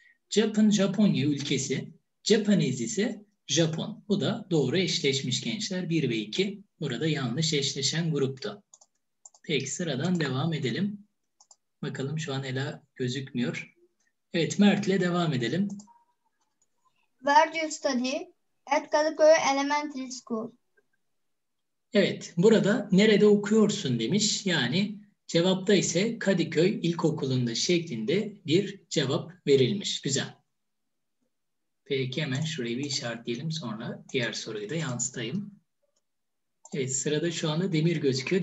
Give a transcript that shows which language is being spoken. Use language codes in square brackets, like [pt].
[en] Japan, [tr] Japonya ülkesi. [en] Japanese [tr] ise Japon. Bu da doğru eşleşmiş gençler. 1 ve 2. Burada yanlış eşleşen grupta. Peki sıradan devam edelim. Bakalım şu an Ela gözükmüyor. Evet Mert'le devam edelim. [en] Where do you study? At Kadıköy Elementary School. [tr] Evet. Burada nerede okuyorsun demiş. Yani cevapta ise Kadıköy İlkokulu'nda şeklinde bir cevap verilmiş. Güzel. Peki hemen şurayı bir işaretleyelim, sonra diğer soruyu da yansıtayım. Evet sırada şu anda Demir gözüküyor.